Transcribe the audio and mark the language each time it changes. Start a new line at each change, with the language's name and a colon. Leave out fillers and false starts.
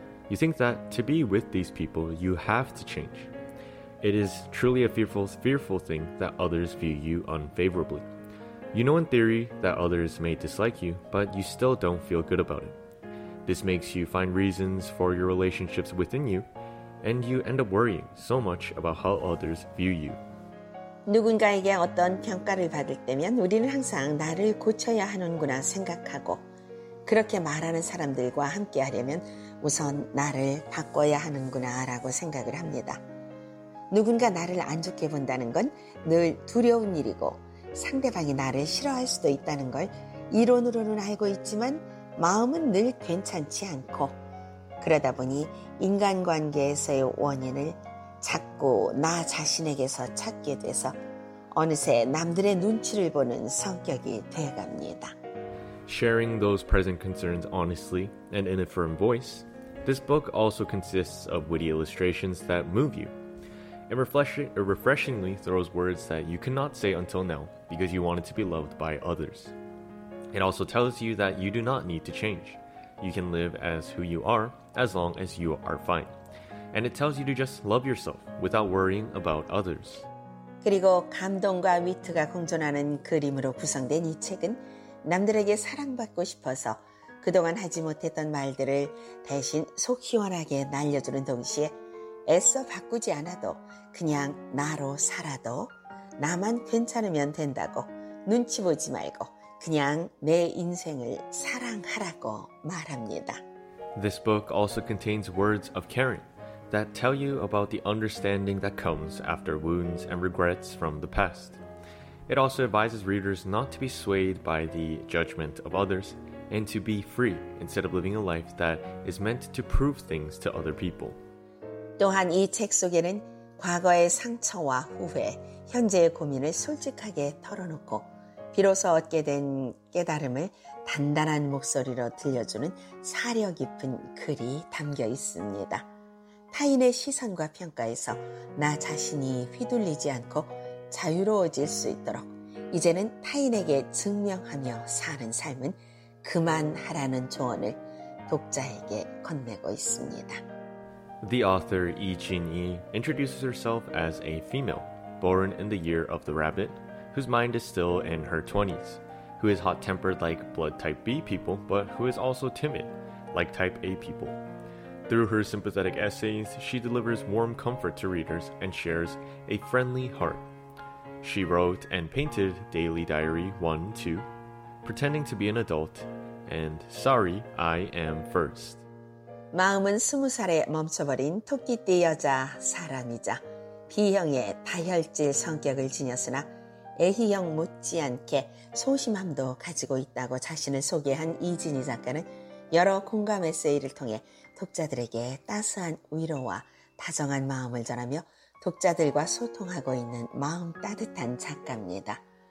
English: You think that to be with these people, you have to change. It is truly a fearful thing that others view you unfavorably. You know in theory that others may dislike you, but you still don't feel good about it. This makes you find reasons for your relationships within you, and you end up worrying so much about how others view you.
Korean: 누군가에게 어떤 평가를 받을 때면 우리는 항상 나를 고쳐야 하는구나 생각하고 그렇게 말하는 사람들과 함께하려면 우선 나를 바꿔야 하는구나 라고 생각을 합니다. 누군가 나를 안 좋게 본다는 건 늘 두려운 일이고 상대방이 나를 싫어할 수도 있다는 걸 이론으로는 알고 있지만 마음은 늘 괜찮지 않고 그러다 보니 인간관계에서의 원인을 자꾸 나 자신에게서 찾게 돼서 어느새 남들의 눈치를 보는 성격이 되어갑니다.
English: Sharing those present concerns honestly and in a firm voice, this book also consists of witty illustrations that move you. And refreshingly throws words that you cannot say until now because you wanted to be loved by others. It also tells you that you do not need to change. You can live as who you are as long as you are fine. And it tells you to just love yourself without worrying about others.
Korean: 그리고 감동과 위트가 공존하는 그림으로 구성된 이 책은 남들에게 사랑받고 싶어서 그동안 하지 못했던 말들을 대신 속 시원하게 날려주는 동시에 애써 바꾸지 않아도 그냥 나로 살아도 나만 괜찮으면 된다고 눈치 보지 말고 그냥 내 인생을 사랑하라고 말합니다.
English: This book also contains words of caring that tell you about the understanding that comes after wounds and regrets from the past. It also advises readers not to be swayed by the judgment of others and to be free instead of living a life that is meant to prove things to other people.
Korean: 또한 이 책 속에는 과거의 상처와 후회, 현재의 고민을 솔직하게 털어놓고 비로소 얻게 된 깨달음을 단단한 목소리로 들려주는 사려 깊은 글이 담겨 있습니다. 타인의 시선과 평가에서 나 자신이 휘둘리지 않고 자유로워질 수 있도록 이제는 타인에게 증명하며 사는 삶은 그만하라는 조언을 독자에게 건네고 있습니다.
English: The author Yi Jin-yi introduces herself as a female born in the year of the rabbit whose mind is still in her 20s, who is hot-tempered like blood type B people but who is also timid like type A people. Through her sympathetic essays, she delivers warm comfort to readers and shares a friendly heart. She wrote and painted Daily Diary 1, 2, Pretending to be an Adult, and Sorry, I Am First.
Korean: 마음은 스무 살에 멈춰버린 토끼띠 여자 사람이자 B형의 다혈질 성격을 지녔으나 A형 못지않게 소심함도 가지고 있다고 자신을 소개한 이진희 작가는 여러 공감 에세이를 통해 독자들에게 따스한 위로와 다정한 마음을 전하며 독자들과 소통하고 있는 마음 따뜻한 작가입니다.